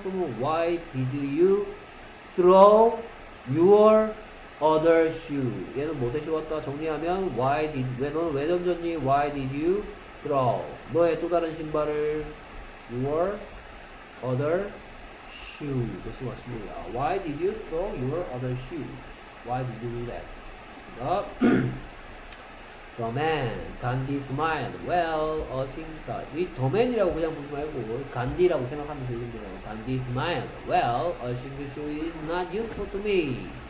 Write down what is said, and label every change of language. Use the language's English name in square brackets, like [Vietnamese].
[Korean] 그러면 [English] why did you throw your other shoe. [Korean] 얘는 뭐 대신 왔다. 정리하면 왜 너는 왜 던졌니? [English] Why did you throw [Korean] 너의 또 다른 신발을 [English] your other shoe [Korean] 대신 왔습니다. [English] Why did you throw your other shoe? Why did you do that? 더맨 간디 스마일. Well, a thing. [Korean] 자, 이 더맨이라고 그냥 보지 말고 간디라고 생각하면서 읽으면 돼요. [English] 간디 스마일. Well, a single shoe is not useful to me.